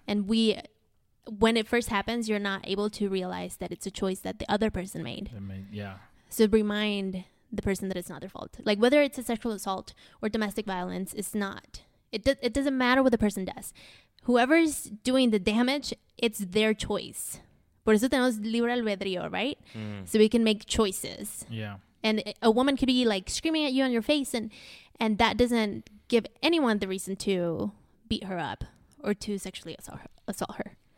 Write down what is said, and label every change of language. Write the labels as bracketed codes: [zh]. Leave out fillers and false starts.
[en] And when it first happens, you're not able to realize that it's a choice that the other person made. Yeah. So remind the person that it's not their fault. Like, whether it's a sexual assault or domestic violence, it's not, it doesn't matter what the person does. Whoever's doing the damage, it's their choice. [es] Por eso tenemos libre albedrío, right? [en] So we can make choices. Yeah. And a woman could be like screaming at you on your face, and that doesn't give anyone the reason to beat her up or to sexually assault her.